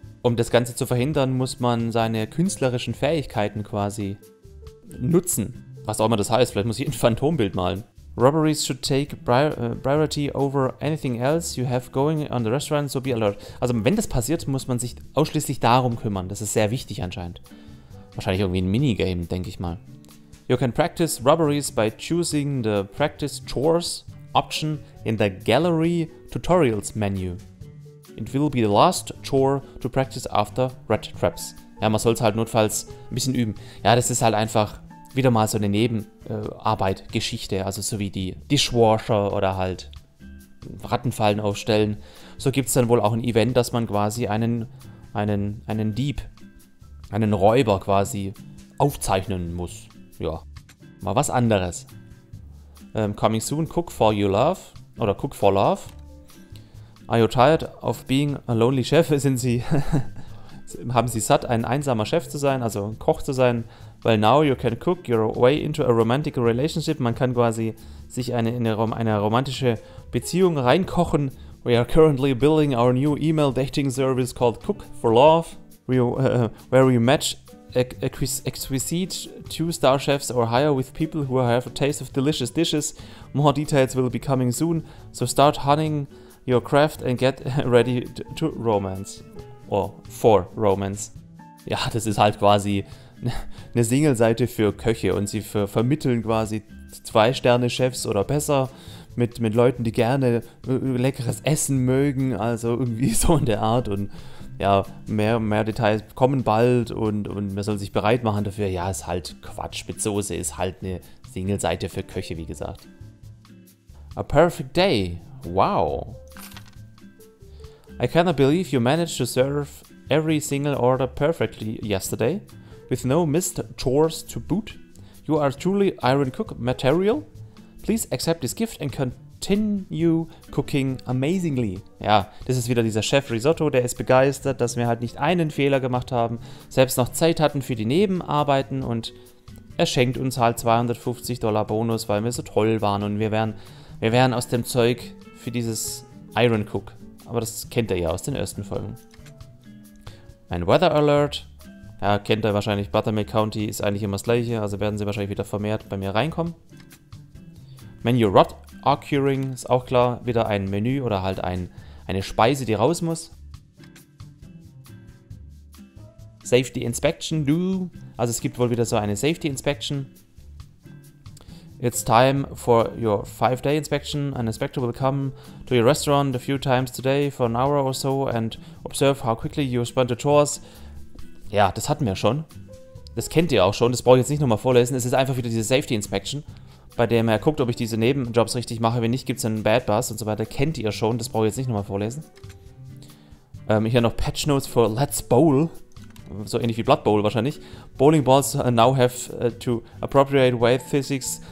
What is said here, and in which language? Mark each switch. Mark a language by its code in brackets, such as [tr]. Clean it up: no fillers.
[de] Um das Ganze zu verhindern, muss man seine künstlerischen Fähigkeiten quasi nutzen. Was auch immer das heißt, vielleicht muss ich ein Phantombild malen. [en] Robberies should take priority over anything else you have going on the restaurant, so be alert. [de] Also wenn das passiert, muss man sich ausschließlich darum kümmern. Das ist sehr wichtig anscheinend. Wahrscheinlich irgendwie ein Minigame, denke ich mal. [en] You can practice robberies by choosing the practice chores option in the gallery tutorials menu. It will be the last chore to practice after rat traps. [de] Ja, man soll es halt notfalls ein bisschen üben. Ja, das ist halt einfach wieder mal so eine Nebenarbeit-Geschichte. Also so wie die Dishwasher oder halt Rattenfallen aufstellen. So gibt es dann wohl auch ein Event, dass man quasi einen Dieb, einen Räuber quasi aufzeichnen muss. Ja, mal was anderes. [en] Coming soon, cook for your love. Oder cook for love. Are you tired of being a lonely chef? [de] Sind Sie... Haben Sie satt, ein einsamer Chef zu sein, also ein Koch zu sein? [en] Well, now you can cook your way into a romantic relationship. [de] Man kann quasi sich in eine romantische Beziehung reinkochen. [en] We are currently building our new email dating service called Cook for Love, where we match exquisite two-star chefs or higher with people who have a taste of delicious dishes. More details will be coming soon. So start honing your craft and get ready to romance. Oh, for romance. [de] Ja, das ist halt quasi eine Single-Seite für Köche und sie vermitteln quasi 2-Sterne-Chefs oder besser mit Leuten, die gerne leckeres Essen mögen, also irgendwie so in der Art. Und ja, mehr Details kommen bald und man soll sich bereit machen dafür. Ja, ist halt Quatsch. Mit Soße ist halt eine Single-Seite für Köche, wie gesagt. [en] A perfect day. Wow. I cannot believe you managed to serve every single order perfectly yesterday, with no missed chores to boot. You are truly Iron Cook material. Please accept this gift and continue cooking amazingly. [de] Ja, das ist wieder dieser Chef Risotto, der ist begeistert, dass wir halt nicht einen Fehler gemacht haben, selbst noch Zeit hatten für die Nebenarbeiten und er schenkt uns halt $250 Bonus, weil wir so toll waren und wir wären aus dem Zeug für dieses Iron Cook. Aber das kennt er ja aus den ersten Folgen. Ein Weather Alert. Ja, kennt er wahrscheinlich. Buttermilk County ist eigentlich immer das gleiche. Also werden sie wahrscheinlich wieder vermehrt bei mir reinkommen. Menu Rot Occurring ist auch klar. Wieder ein Menü oder halt eine Speise, die raus muss. Safety Inspection. Do. Also es gibt wohl wieder so eine Safety Inspection. [en] It's time for your 5-day inspection. An inspector will come to your restaurant a few times today for an hour or so and observe how quickly you respond to chores. [de] Ja, das hatten wir schon. Das kennt ihr auch schon. Das brauche ich jetzt nicht nochmal vorlesen. Es ist einfach wieder diese Safety Inspection, bei der man guckt, ob ich diese Nebenjobs richtig mache. Wenn nicht, gibt es einen Bad Bus und so weiter. Kennt ihr schon. Das brauche ich jetzt nicht nochmal vorlesen. Hier noch Patch Notes for Let's Bowl. So ähnlich wie Blood Bowl wahrscheinlich. [en] Bowling Balls now have to appropriate wave physics.